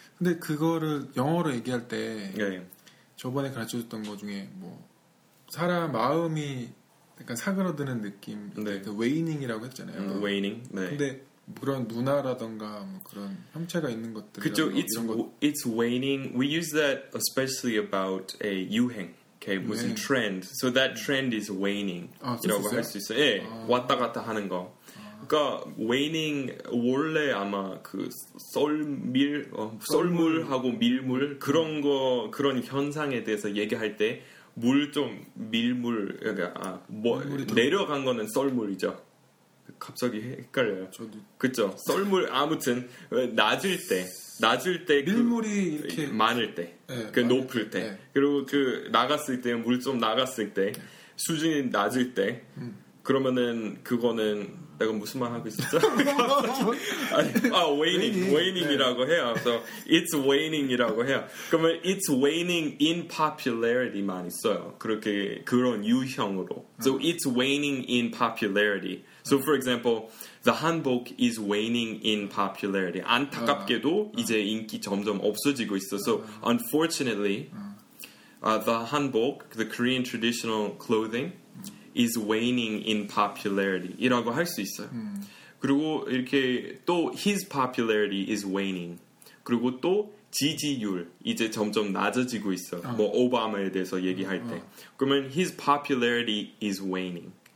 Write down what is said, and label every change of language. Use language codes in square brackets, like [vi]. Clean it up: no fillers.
[ko] 근데 그거를 영어로 얘기할 때 네. 저번에 가르쳐줬던 것 중에 뭐 사람 마음이 약간 사그러드는 느낌, 네. 그 웨이닝이라고 했잖아요. 웨이닝. 네. 근데 그런 문화라던가 뭐 그런 형체가 있는 것들. 그죠. [en] It's 거. It's waning. We use that especially about a 유행, okay? [ko] 무슨 네. [en] trend. So that trend is waning. [ko] 이라고 할 수 있어요. 예. 네. 왔다 갔다 하는 거. 그러니까 waning 원래 아마 그 썰물하고 밀물 그런 거 그런 현상에 대해서 얘기할 때. 물 좀 밀물 여기 아 뭐 내려간 거는 썰물이죠. 갑자기 헷갈려요. 저도 그죠. 썰물 아무튼 낮을 때 밀물이 그, 이렇게 많을 때 그 네, 높을 때 네. 그리고 그 나갔을 때 물 좀 나갔을 때 네. 수준이 낮을 때 그러면은 그거는 내가 무슨 말 하고 있었죠? 아니, 아, waning이라고 해요. 그래서 so, [en] it's waning [ko] 이라고 해요. [en] 그러면 it's waning in popularity [ko] 많이 써요. 그렇게 그런 유형으로. [en] So it's waning in popularity. So for example, the 한복 is waning in popularity. [ko] 안타깝게도 이제 인기 점점 없어지고 있어. [en] So unfortunately, the 한복, the Korean traditional clothing. is waning in popularity [ko] 이라고 할 수 있어요. 그리고 이렇게 또 [en] his popularity is waning. [ko] 그리고 또 지지율 이제 점점 낮아지고 있어. 뭐 오바마에 대해서 얘기할 때. 그러면 [en] his popularity is waning.